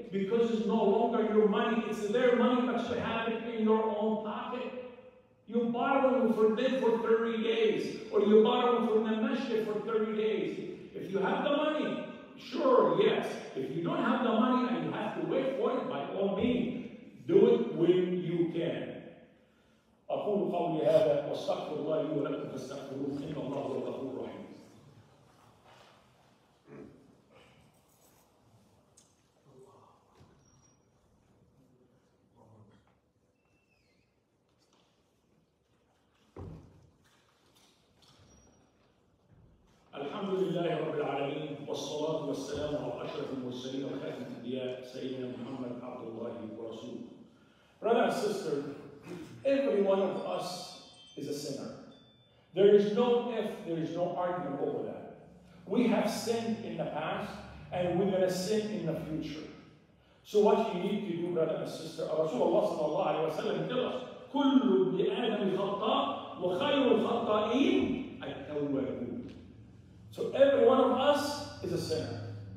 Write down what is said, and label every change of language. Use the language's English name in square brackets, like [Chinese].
[English] Because it's no longer your money, it's their money, but you have it in your own pocket. You borrow from them for 30 days, or you borrow from the masjid for 30 days. If you have the money, sure, yes. If you don't have the money and you have to wait for it, by all means, do it when you can. [Arabic] أقول قولي هذا واستغفر الله لي ولكم فاستغفروه إن الله هو الغفور الرحيم. الحمد لله رب العالمين والصلاة والسلام على أشرف المرسلين وخاتم الأنبياء سيدنا محمد عبد الله ورسوله. [English] Brother and sister, every one of us is a sinner. There is no if, there is no argument over that. We have sinned in the past, and we're going to sin in the future. So what you need to do, brother and sister, Rasulullah sallallahu alayhi wa sallam tell us, [Arabic] كُلُّ بِآدَمِ خَطَّى وَخَيْرُ الْخَطَّئِينَ التَّوَّابُونَ. [English] So every one of us is a sinner.